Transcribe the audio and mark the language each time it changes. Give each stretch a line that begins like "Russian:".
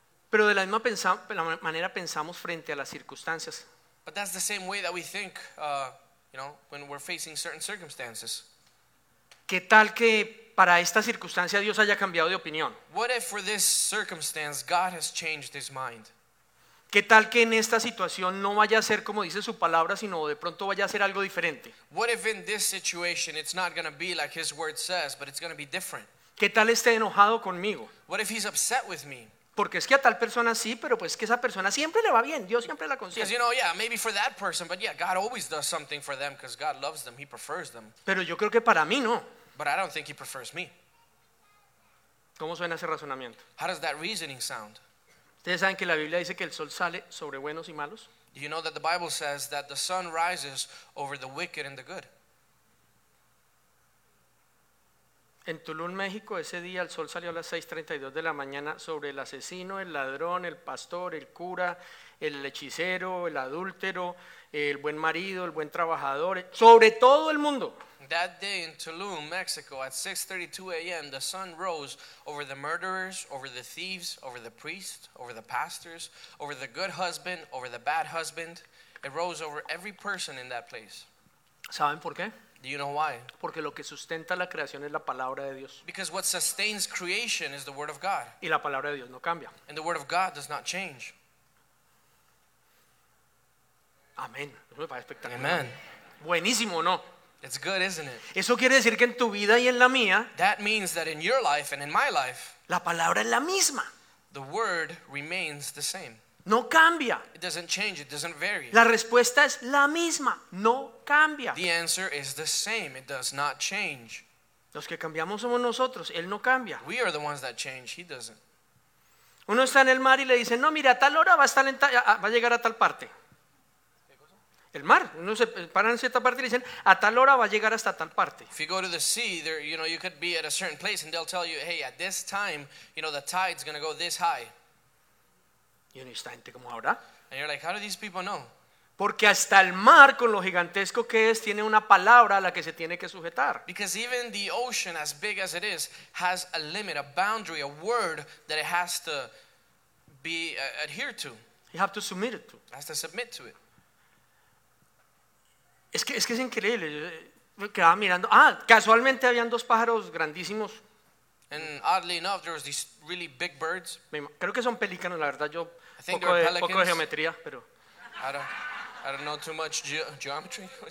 Spanish: Pero de la misma manera pensamos frente a las circunstancias.
English: But that's the same way that we think, you know, when we're facing certain circumstances.
Spanish: ¿Qué tal que para esta circunstancia Dios haya cambiado de opinión?
English: What if for this circumstance God has changed his mind?
Spanish: ¿Qué tal que en esta situación no vaya a ser como dice su palabra, sino de pronto vaya a ser algo diferente?
English: What if in this situation it's not going to be like his word says, but it's going to be different?
Spanish: ¿Qué tal esté enojado conmigo?
English: What if he's upset with me?
Spanish: Porque es que a tal persona sí, pero pues que esa persona siempre le va bien. Dios siempre la consiente.
English: Because you know, yeah, maybe for that person, but yeah, God always does something for them because God loves them, he prefers them.
Spanish: Pero yo creo que para mí no.
English: But I don't think he prefers me.
Spanish: ¿Cómo suena ese razonamiento?
English: How does that reasoning sound?
Spanish: ¿Ustedes saben que la Biblia dice que el sol sale sobre buenos y malos?
English: Do you know that the Bible says that the sun rises over the wicked and the good?
Spanish: En Tulum, México, ese día el sol salió a las 6:32 de la mañana sobre el asesino, el ladrón, el pastor, el cura, el hechicero, el adúltero, el buen marido, el buen trabajador, sobre todo el mundo.
English: That day in Tulum, Mexico, at 6:32 a.m., the sun rose over the murderers, over the thieves, over the priest, over the pastors, over the good husband, over the bad husband. It rose over every person in that place.
Spanish: ¿Saben por qué?
English: Do you know why?
Spanish: Porque lo que sustenta la creación es la palabra de Dios.
English: Because what sustains creation is the word of God.
Spanish: Y la palabra de Dios no cambia.
English: And the word of God does not change.
Spanish: Amén.
English: Amen.
Spanish: Buenísimo, ¿no?
English: It's good, isn't it?
Spanish: Eso quiere decir que en tu vida y en la mía,
English: that means that in your life and in my life,
Spanish: la palabra es la misma.
English: The word remains the same.
Spanish: No cambia.
English: It doesn't change, it doesn't vary.
Spanish: La respuesta es la misma, no cambia.
English: The answer is the same, it does not change.
Spanish: Los que cambiamos somos nosotros, él no cambia.
English: We are the ones that change, he doesn't.
Spanish: Uno está en el mar y le dicen, "No, mira, a tal hora va a llegar a tal parte." El mar, uno se para en cierta parte y dicen, "A tal hora va a llegar hasta tal parte."
English: If you go to the sea, there, you know, you could be at a certain place and they'll tell you, "Hey, at this time, you know, the tide's going to go this high."
Spanish: Y uno está gente como ahora.
English: And you're like, how do these people know?
Spanish: Porque hasta el mar, con lo gigantesco que es, tiene una palabra a la que se tiene que sujetar.
English: Because even the ocean, as big as it is, has a limit, a boundary, a word that it has to be adhered to. You have to submit it to. Has to submit to it.
Spanish: Es que es increíble. Yo quedaba mirando. Ah, casualmente habían dos pájaros grandísimos.
English: And oddly enough, there was these really big birds.
Spanish: Creo que son pelícanos, la verdad. Yo poco de geometría, pero.
English: I don't know too much geometry.